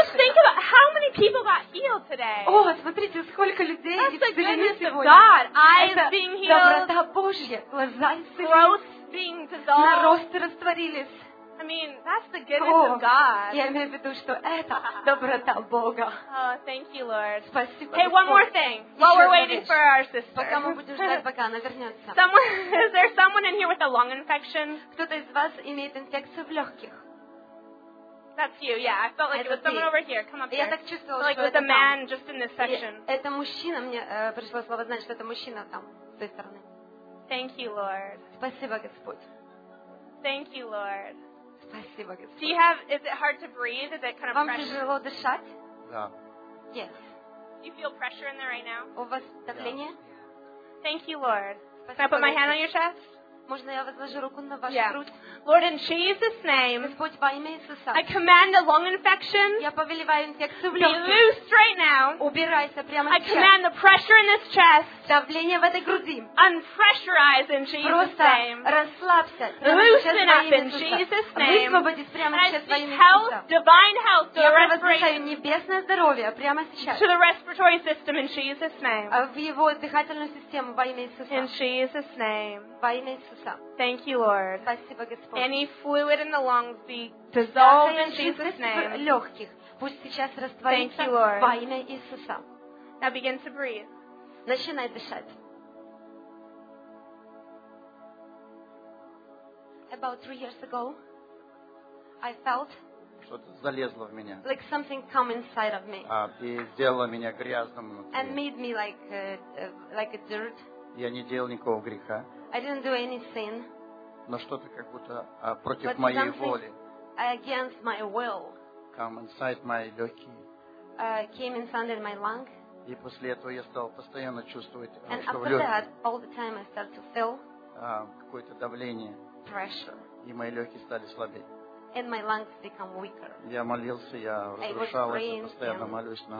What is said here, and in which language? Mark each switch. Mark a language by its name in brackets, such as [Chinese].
[English] Just think about how many people got healed today. [Russian] О, смотрите, сколько людей исцелили сегодня. [English] God, eyes being healed. [Russian] Доброта Божья, глаза исцелились. Наросты растворились. [English] I mean, that's the goodness of God. [Russian] Я имею в виду, что это доброта Бога. [English] Oh, thank you, Lord. [Russian] Спасибо. [English] Hey, one more thing. While we're waiting for our sister. [Russian] Пока мы будем ждать, пока она вернется. [English] Someone, is there someone in here with a lung infection? [Russian] Кто-то из вас имеет инфекцию в легких? [English] That's you. Yeah, I felt like it was someone over here. Come up here. [Russian] Я так чувствовала, [English] like with a man just in this section. [Russian] Это мужчина, мне пришло слово, значит, что это мужчина там с той стороны. [English] Thank you, Lord. [Russian] Спасибо, Господь. [English] Thank you, Lord. [Russian] Спасибо, Господь. [English] Do you have? Is it hard to breathe? Is it kind of [Russian] Вам [English] pressure? [Russian] Тяжело дышать? Да. [English] Yes. Do you feel pressure in there right now? [Russian] У вас давление? [English] Yeah. Thank you, Lord. [Russian] Спасибо, [English] Can I put my hand on your chest? [Russian] Можно я возложу руку на вашу грудь? [English] Lord, in Jesus' name, [Russian] Господь, во имя Иисуса, [English] I command a lung infection. [Russian] Я повелеваю инфекцию в легких. [English] Be loosed right now. [Russian] Убирайся прямо сейчас. [English] I command the pressure in this chest. [Russian] Давление в этой груди. [English] Unpressurize in Jesus' name. [Russian] Просто расслабься. [English] Loosen up in Jesus' name. [Russian] Высвободись прямо сейчас во имя Иисуса. [English] Health, divine health, [Russian] Я провозглашаю небесное здоровье прямо сейчас. [English] To the respiratory system in Jesus' name. [Russian] В его дыхательную систему во имя Иисуса. [English] In Jesus' name. [Russian] Во имя Иисуса. [English] Thank you, Lord. [Russian] Спасибо, Господь. [English] Any fluid in the lungs be dissolved in Jesus' name. [Russian] Легких пусть сейчас растворится во имя Иисуса. [English] Now begin to breathe. [Russian] Начинай дышать. [English] About 3 years ago, I felt [Russian] что-то залезло в меня. [English] Like something come inside of me. [Russian] И сделало меня грязным. [English] And made me like a dirt. [Russian] Я не делал никакого греха. [English] I didn't do any sin. [Russian] Но что-то как будто против моей воли. [English] Against my will. Come inside my [Russian] легкие. [English] Came inside my lung. [Russian] И после этого я стал постоянно чувствовать, [English] and [Russian] что в легких. [English] And all the time I started to feel. [Russian] Какое-то давление. [English] Pressure. [Russian] И мои легкие стали слабее. [English] And my lungs become weaker. [Russian] Я молился, я разрушал это, постоянно молюсь на.